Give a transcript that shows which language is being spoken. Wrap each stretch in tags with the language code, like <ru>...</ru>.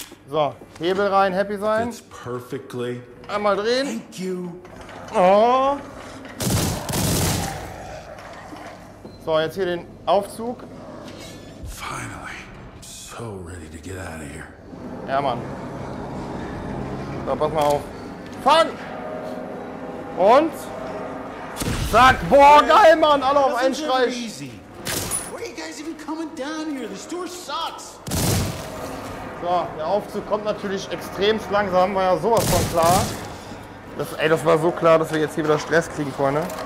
<de>So, Hebel rein, happy sein. Einmal drehen.</de> <en>Thank you. Oh.</en> <de>So, jetzt hier den Aufzug.</de> <en>Finally. So ready to get out of here.</en> <de>Ja, Mann. So, pass mal auf. Fang! Und? Zack! Boah, geil, Mann! Alle auf einen Streich.</de> <en>Where are you guys even coming down here? This tour sucks.</en> <de>So, der Aufzug kommt natürlich extremst langsam, war ja sowas von klar. Das war so klar, dass wir jetzt hier wieder Stress kriegen, Freunde.</de>